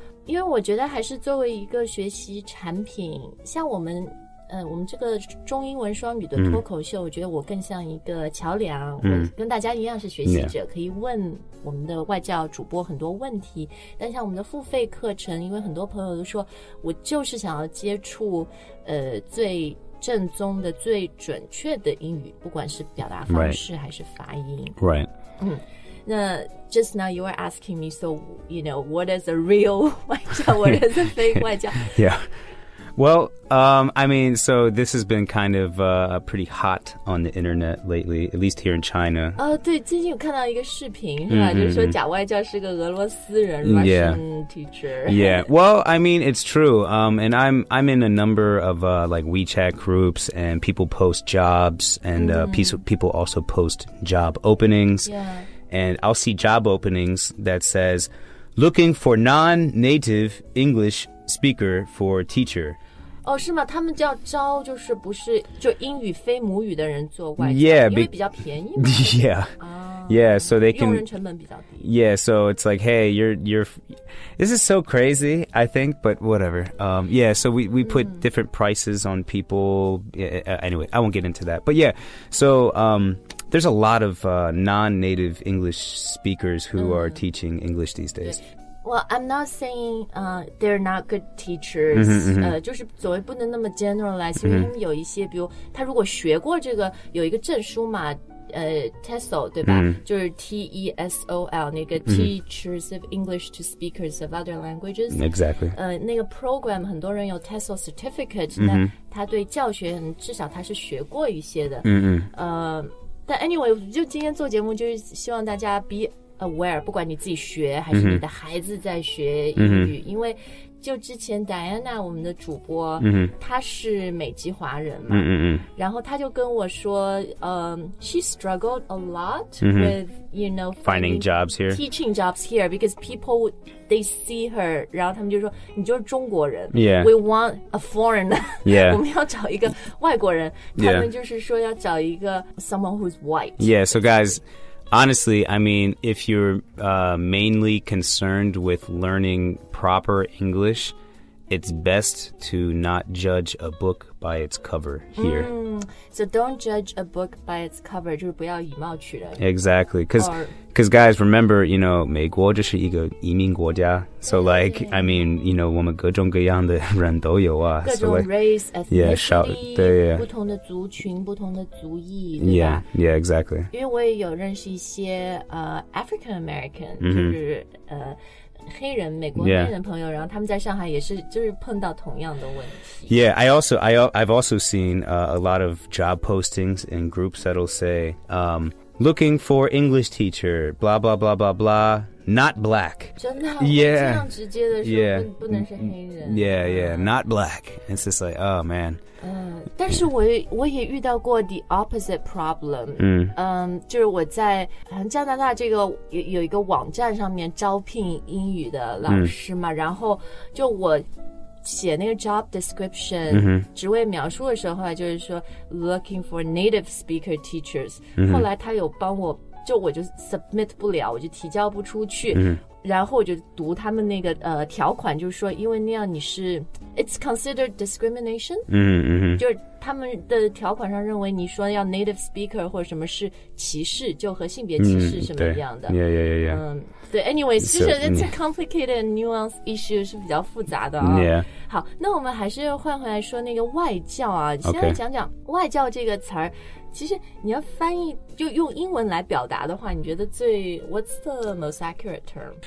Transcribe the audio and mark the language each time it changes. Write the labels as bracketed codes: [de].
[zh] 因为我觉得还是作为一个学习产品，像我们这个中英文双语的脱口秀，我觉得我更像一个桥梁，我跟大家一样是学习者，可以问我们的外教主播很多问题。但像我们的付费课程，因为很多朋友都说我就是想要接触最正宗的最准确的英语，不管是表达方式还是发音。 [en] Right. [zh] 那 [en] just now you were asking me, so you know, what is a real 外教, what is a fake 外教? Yeah. Well, I mean, so this has been kind of pretty hot on the internet lately, at least here in China. [zh] 对，最近有看到一个视频，是吧？就说假外教是个俄罗斯人 [en] Russian teacher. Yeah. Well, I mean, it's true. And I'm in a number of like WeChat groups, and people post jobs, and people also post job openings. Yeah. And I'll see job openings that says, looking for non-native English speaker for teacher. [zh] 是吗？他们叫招就是不是就英语非母语的人做外教。 [en] Yeah, [zh] 因为比较便宜嘛。 [en] Yeah. Yeah, so they can. [zh] 用人成本比较低。 [en] Yeah, so it's like, hey, you're. This is so crazy, I think, but whatever. Yeah, so we put different prices on people. Anyway, I won't get into that. But yeah, so there's a lot of non-native English speakers who are teaching English these days. Well, I'm not saying they're not good teachers. [zh] 就是所谓不能那么 [en] generalize, [zh] 因为有一些，比如他如果学过这个，有一个证书嘛。 [en] TESOL [zh] 对吧、就是 [en] TESOL 那个 Teachers of English to Speakers of Other Languages. Exactly. [zh] 那个 program 很多人有 TESOL Certificate, 那他对教学至少他是学过一些的。但 anyway, 就今天做节目就是希望大家 [en] be aware, [zh] 不管你自己学还是你的孩子在学英语、因为就之前 Diana 我们的主播她是美籍华人嘛，然后她就跟我说 [en] she struggled a lot with, you know, finding jobs here, teaching jobs here, because people, they see her, [zh] 然后他们就说你就是中国人、 [en] yeah. we want a foreigner, yeah. [zh] 我们要找一个外国人，他们就是说要找一个 [en] someone who's white. Yeah, so guys, honestly, I mean, if you're mainly concerned with learning proper English, it's best to not judge a book by its cover here. Mm, so don't judge a book by its cover, [zh] 就是不要以貌取人。 [en] Exactly, because guys, remember, you know, [zh] 美国就是一个移民国家。 [en] So like, I mean, you know, [zh] 我们各种各样的人都有啊。各种 [en] race, ethnicity, yeah, [zh] 少对呀、不同的族群，不同的族裔，对吧 [en] ？Yeah, yeah, exactly. [zh] 因为我也有认识一些 [en] African American,、 [zh] mm-hmm. 就是黑人美国黑人朋友、 [en] yeah. [zh] 然后他们在上海也是就是碰到同样的问题 [en] Yeah, I've also seen、a lot of job postings in groups that'll say、looking for English teacher blah blah blah blah blah not black [zh] 真的 [en] Yeah [zh] 这样直接的说 [en] yeah. [zh] 不能是黑人 [en] Yeah, yeah, not black It's just like, oh man、 [zh] 但是我也遇到过 [en] the opposite problem、 mm. [zh] 就是我在加拿大这个 有一个网站上面招聘英语的老师嘛、mm. 然后就我写那个 job description、 mm-hmm. 职位描述的时候就是说 [en] looking for native speaker teachers、 mm-hmm. [zh] 后来他有帮我就我就 submit 不了我就提交不出去、 mm-hmm. 然后我就读他们那个、条款就是说因为那样你是 [en] it's considered discrimination、 mm-hmm. [zh] 就是他们的条款上认为你说要 native speaker 或者什么是歧视就和性别歧视什么一样的、 [en] mm-hmm. [zh] 对 [en] yeah, yeah, yeah, yeah.、对 anyways so, [zh] 就是 [en] it's a complicated nuanced issue [zh] 是比较复杂的、哦 [en] yeah. [zh] 好那我们还是换回来说那个外教啊、 [en] okay. [zh] 先来讲讲外教这个词儿其实你要翻译就用英文来表达的话你觉得最 [en] what's the most accurate term